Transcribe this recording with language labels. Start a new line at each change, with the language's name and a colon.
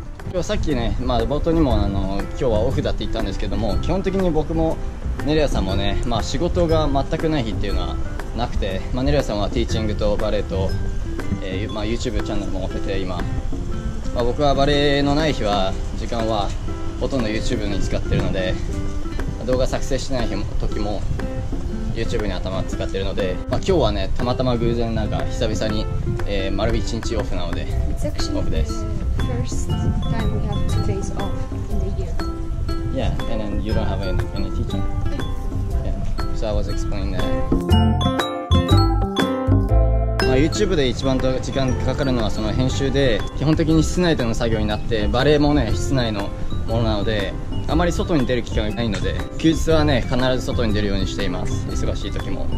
Japanese: 今日さっきね、まあ冒頭にも今日はオフだって言ったんですけども、基本的に僕もネリアさんもね、まあ仕事が全くない日っていうのはなくて、まあネリアさんはティーチングとバレエと、まあ YouTube チャンネルも持ってて今、まあ僕はバレエのない日は時間はほとんど YouTube に使ってるので、動画作成してない日も時も YouTube に頭を使ってるので、まあ今日はね、たまたま偶然なんか久々に、丸一日オフなので、オフです。
English: First time we have 2 days off in the year. Yeah, and then you don't have any teaching. Yeah, so I was explaining that.
Japanese: まあ YouTube で一番時間かかるのはその編集で、基本的に室内での作業になって、バレエもね室内のものなので、あまり外に出る機会がないので、休日はね必ず外に出るようにしています、忙しい時も。